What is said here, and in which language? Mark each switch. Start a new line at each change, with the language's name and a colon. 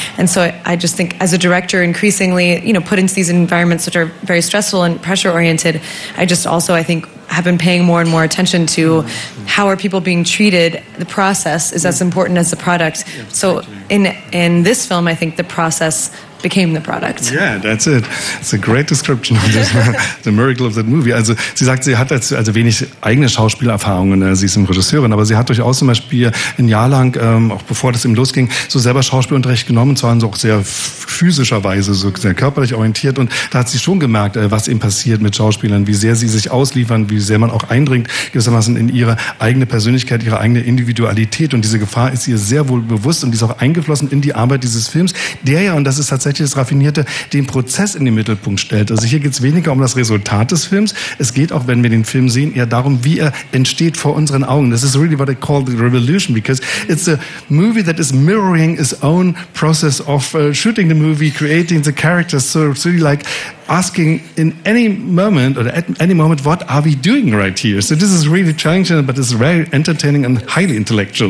English: And so I just think, as a director, increasingly, you know, put into these environments which are very stressful and pressure oriented, I think have been paying more and more attention to how are people being treated. The process is as important as the product. So in this film, I think the process became the product. Yeah, that's it. It's a great description of this, the miracle of that movie.
German: Also, sie sagt, sie hat also wenig eigene Schauspielerfahrungen, sie ist eine Regisseurin, aber sie hat durchaus zum Beispiel ein Jahr lang, auch bevor das eben losging, so selber Schauspielunterricht genommen, und zwar auch sehr physischerweise, so sehr körperlich orientiert, und da hat sie schon gemerkt, was eben passiert mit Schauspielern, wie sehr sie sich ausliefern, wie sehr man auch eindringt, gewissermaßen in ihre eigene Persönlichkeit, ihre eigene Individualität, und diese Gefahr ist ihr sehr wohl bewusst und die ist auch eingeflossen in die Arbeit dieses Films, der ja, und das ist halt tatsächlich das Raffinierte, den Prozess in den Mittelpunkt stellt. Also hier geht es weniger um das Resultat des Films. Es geht auch, wenn wir den Film sehen, eher darum, wie er entsteht vor unseren Augen.
English: This is really what I call the revolution, because it's a movie that is mirroring its own process of shooting the movie, creating the characters. So it's really like asking in any moment, or at any moment, what are we doing right here? So this is really challenging, but it's very entertaining and highly intellectual.